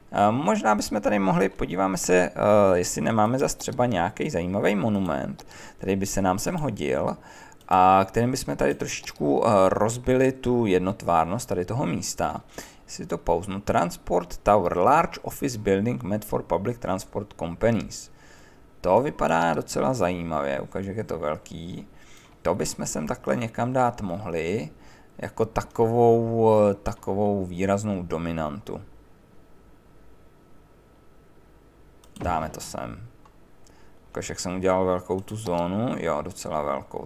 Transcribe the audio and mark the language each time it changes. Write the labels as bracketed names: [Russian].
[Czech] Možná bychom tady mohli, podíváme se, jestli nemáme zase třeba nějaký zajímavý monument, který by se nám sem hodil a kterým bychom tady trošičku rozbili tu jednotvárnost tady toho místa. Jestli to pauznu. [English] Transport Tower, large office building meant for public transport companies. [Czech] To vypadá docela zajímavě, ukáže, jak je to velký. To bychom sem takhle někam dát mohli, jako takovou výraznou dominantu. Dáme to sem. Ukáže, jak jsem udělal velkou tu zónu, jo, docela velkou.